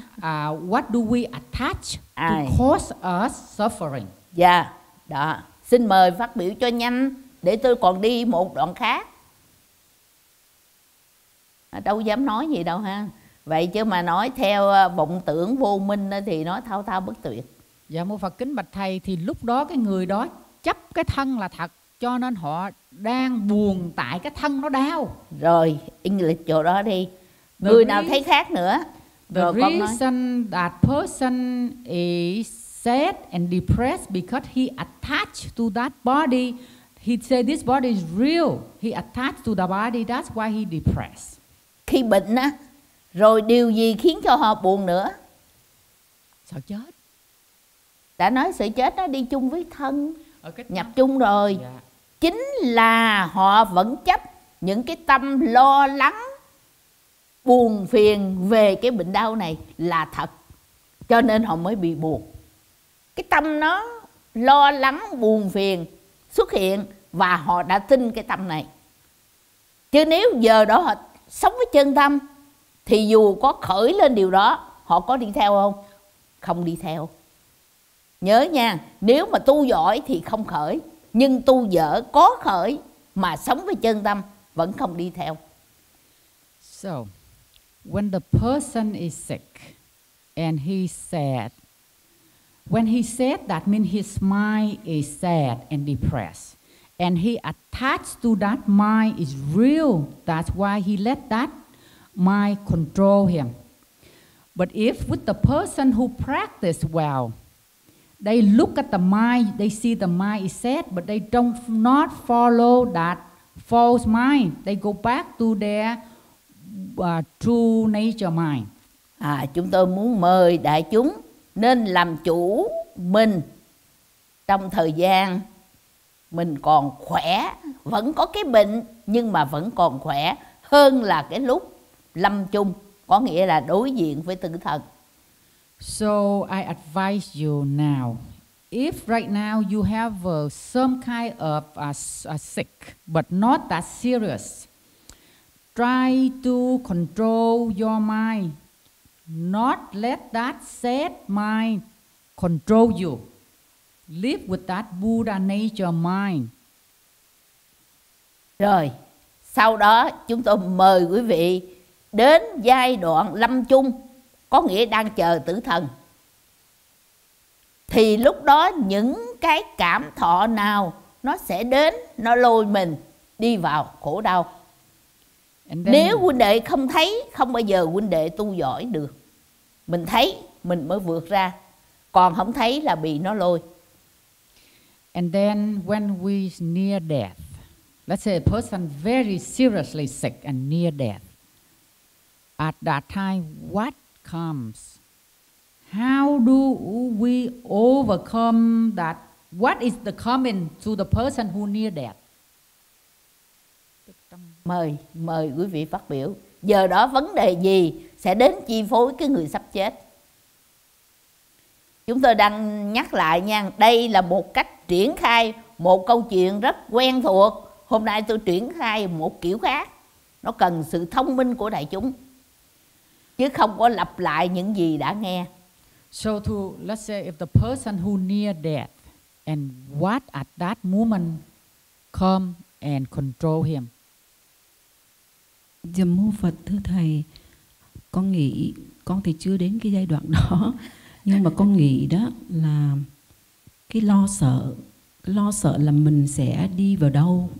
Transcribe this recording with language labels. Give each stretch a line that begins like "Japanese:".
English: what do we attach ai to cause us suffering?
Vietnamese: Đó. Xin mời phát biểu cho nhanh để tôi còn đi một đoạn khác. Đâu dám nói gì đâu ha. Vậy chứ mà nói theo vọng tưởng vô minh thì nói thao thao bất tuyệt. Dạ mô Phật, kính bạch thầy, thì lúc đó cái người đó chấp cái thân là thật, cho nên họ đang buồn tại cái thân nó đau. Rồi, English chỗ đó đi. Người nào thấy khác nữa?
English: The reason that person is sad and depressed because he attached to that body. He said this body is real. He attached to the body, that's why he depressed.
Vietnamese: Khi bệnh á, rồi điều gì khiến cho họ buồn nữa? Sợ chết. đã nói sự chết nó đi chung với thân, nhập chung rồi. Chính là họ vẫn chấp những cái tâm lo lắng, buồn phiền về cái bệnh đau này là thật, cho nên họ mới bị buộc. Cái tâm nó lo lắng, buồn phiền xuất hiện và họ đã tin cái tâm này. Chứ nếu giờ đó họ sống với chân tâm thì dù có khởi lên điều đó, họ có đi theo không? Không đi theo. Nhớ nha, nếu mà tu giỏi thì không khởi, nhưng tu dở có khởi mà sống với chân tâm vẫn không đi theo.
English: So, when the person is sick and he's sad, when he's sad, that means his mind is sad and depressed. And he attached to that mind is real. That's why he let that mind control him. But if with the person who practice well, they look at the mind, they see the mind is sad, but they don't follow that false mind. They go back to their true nature mind.
Vietnamese: À, chúng tôi muốn mời đại chúng nên làm chủ mình trong thời gian mình còn khỏe, vẫn có cái bệnh nhưng mà vẫn còn khỏe, hơn là cái lúc lâm chung, có nghĩa là đối diện với tử thần.
English: So I advise you now, if right now you have some kind of a sick but not that serious, try to control your mind, not let that sad mind control you. Live with that Buddha nature mind.
Vietnamese: Rồi, sau đó chúng tôi mời quý vị đến giai đoạn lâm chung, có nghĩa đang chờ tử thần. Thì lúc đó những cái cảm thọ nào nó sẽ đến, nó lôi mình đi vào khổ đau. Nếu huynh đệ không thấy, không bao giờ huynh đệ tu giỏi được. Mình thấy, mình mới vượt ra. Còn không thấy là bị nó lôi.
English: And then when we near death, let's say a person very seriously sick and near death, at that time, what comes? How do we overcome that? What is the coming to the person who near death?
Vietnamese: Mời quý vị phát biểu. Giờ đó vấn đề gì sẽ đến chi phối cái người sắp chết? Chúng tôi đang nhắc lại nha, đây là một cách triển khai một câu chuyện rất quen thuộc. Hôm nay tôi triển khai một kiểu khác, nó cần sự thông minh của đại chúng, chứ không có lặp lại những gì đã nghe.
English: So to, let's say if the person who near death, and what at that moment come and control him?
Vietnamese: Dạ mô Phật, thưa thầy, con nghĩ con thì chưa đến cái giai đoạn đó, nhưng mà con nghĩ đó là cái lo sợ là mình sẽ đi vào đâu.